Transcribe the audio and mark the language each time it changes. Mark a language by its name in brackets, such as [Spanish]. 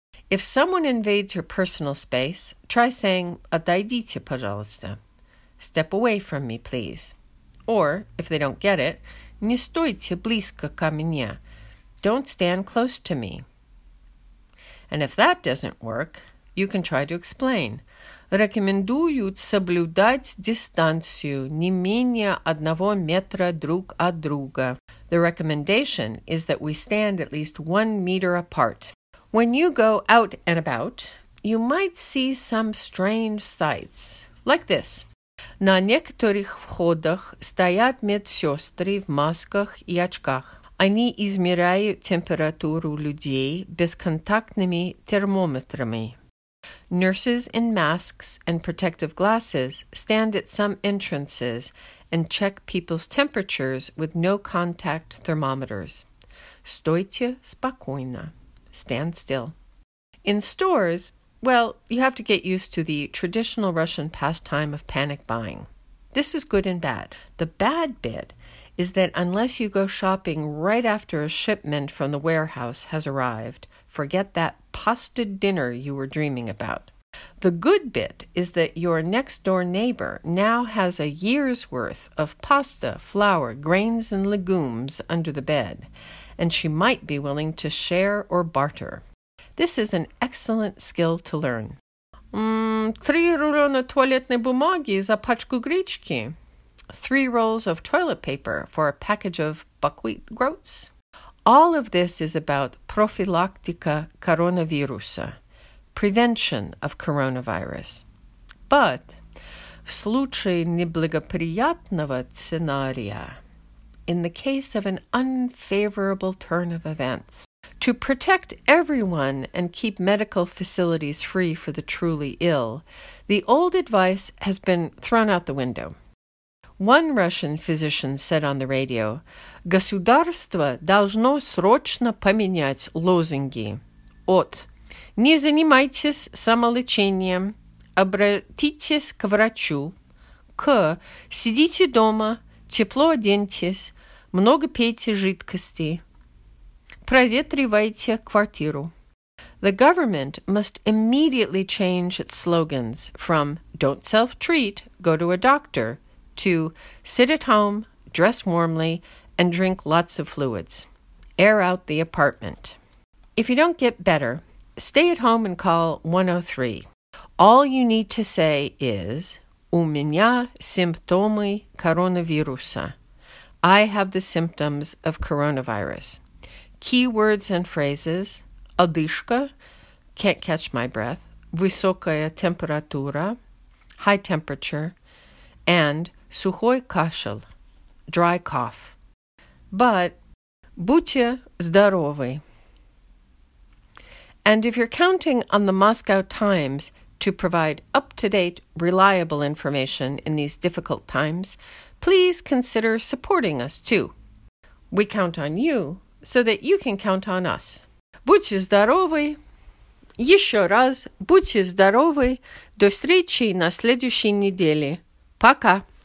[English] If someone invades your personal space, try saying, [Russian] отойдите, пожалуйста. [English] Step away from me, please. Or, if they don't get it, [Russian] не стойте близко ко мне. [English] Don't stand close to me. And if that doesn't work, you can try to explain. [Russian] Рекомендуют соблюдать дистанцию не менее одного метра друг от друга. [English] The recommendation is that we stand at least 1 meter apart. When you go out and about, you might see some strange sights, like this. [Russian] На некоторых входах стоят медсестры в масках и очках. Они измеряют температуру людей бесконтактными термометрами. [English] Nurses in masks and protective glasses stand at some entrances and check people's temperatures with no-contact thermometers. [Russian] Стойте спокойно. [English] Stand still. In stores, well, you have to get used to the traditional Russian pastime of panic buying. This is good and bad. The bad bit is that unless you go shopping right after a shipment from the warehouse has arrived, forget that pasta dinner you were dreaming about. The good bit is that your next door neighbor now has a year's worth of pasta, flour, grains, and legumes under the bed, and she might be willing to share or barter. This is an excellent skill to learn. [Russian] Три рулона туалетной бумаги за пачку гречки. [English] 3 rolls of toilet paper for a package of buckwheat groats. All of this is about profilaktika [Russian] коронавируса, [English] prevention of coronavirus. But [Russian] в случае неблагоприятного сценария, [English] in the case of an unfavorable turn of events, to protect everyone and keep medical facilities free for the truly ill, the old advice has been thrown out the window. One Russian physician said on the radio, [Russian] «Государство должно срочно поменять лозунги от «Не занимайтесь самолечением, обратитесь к врачу» к «Сидите дома, тепло оденьтесь, много пейте жидкости». Проветривайте квартиру. [English] The government must immediately change its slogans from don't self-treat, go to a doctor, to sit at home, dress warmly, and drink lots of fluids. Air out the apartment. If you don't get better, stay at home and call 103. All you need to say is, [Russian] у меня симптомы коронавируса. [English] I have the symptoms of coronavirus. Keywords and phrases: [Russian] одышка, [English] can't catch my breath, [Russian] высокая температура, [English] high temperature, and [Russian] сухой кашель, [English] dry cough. But [Russian] будьте здоровы. [English] And if you're counting on the Moscow Times to provide up-to-date, reliable information in these difficult times, please consider supporting us too. We count on you, so that you can count on us. [Russian] Будьте здоровы. Еще раз, будьте здоровы. До встречи на следующей неделе. Пока.